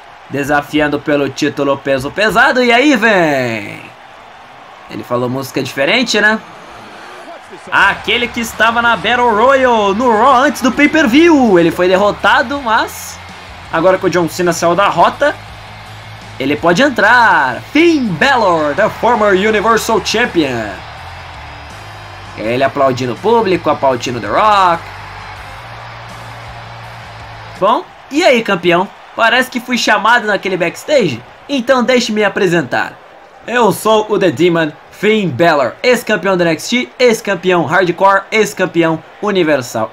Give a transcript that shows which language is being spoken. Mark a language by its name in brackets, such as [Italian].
[Portuguese] Desafiando pelo título peso pesado, e aí vem! Ele falou música diferente, né? Aquele que estava na Battle Royal, no Raw antes do pay-per-view. Ele foi derrotado, mas agora que o John Cena saiu da rota, ele pode entrar. [English] Finn Balor, the former Universal Champion. [Portuguese] Ele aplaudindo o público, aplaudindo The Rock. Bom, e aí, campeão? Parece que fui chamado naquele backstage, então deixe-me apresentar. Eu sou o The Demon Finn Balor, ex-campeão da NXT, ex-campeão Hardcore, ex-campeão Universal.